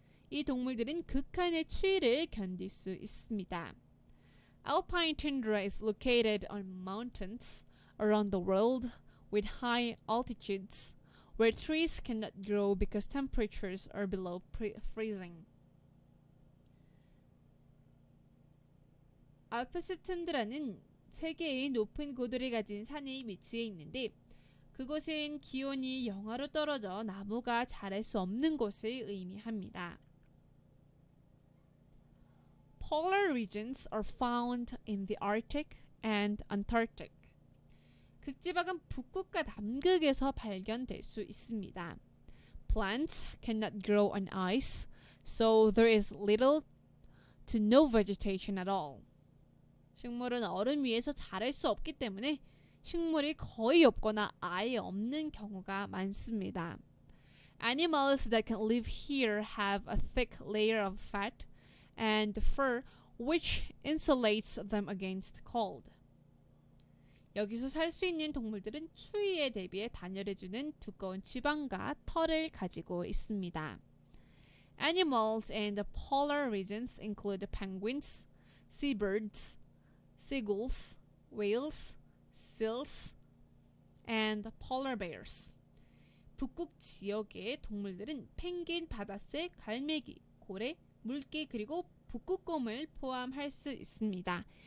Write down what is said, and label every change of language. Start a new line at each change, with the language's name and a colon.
Korean: 이 동물들은 극한의 추위를 견딜 수 있습니다.
English: Alpine tundra is located on mountains around the world with high altitudes where trees cannot grow because temperatures are below freezing.
Korean: 알프스 툰드라는 세계의 높은 고도를 가진 산의 위치에 있는데 그곳은 기온이 영하로 떨어져 나무가 자랄 수 없는 곳을 의미합니다.
English: Polar regions are found in the Arctic and Antarctic.
Korean: 극지방은 북극과 남극에서 발견될 수 있습니다.
English: Plants cannot grow on ice, so there is little to no vegetation at all.
Korean: 식물은 얼음 위에서 자랄 수 없기 때문에 식물이 거의 없거나 아예 없는 경우가 많습니다.
English: Animals that can live here have a thick layer of fat and fur which insulates them against cold.
Korean: 여기서 살 수 있는 동물들은 추위에 대비해 단열해주는 두꺼운 지방과 털을 가지고 있습니다.
English: Animals in the polar regions include penguins, seabirds, seagulls, whales, seals, and polar bears.
Korean: 북극 지역의 동물들은 펭귄, 바다새, 갈매기, 고래, 물개, 그리고 북극곰을 포함할 수 있습니다.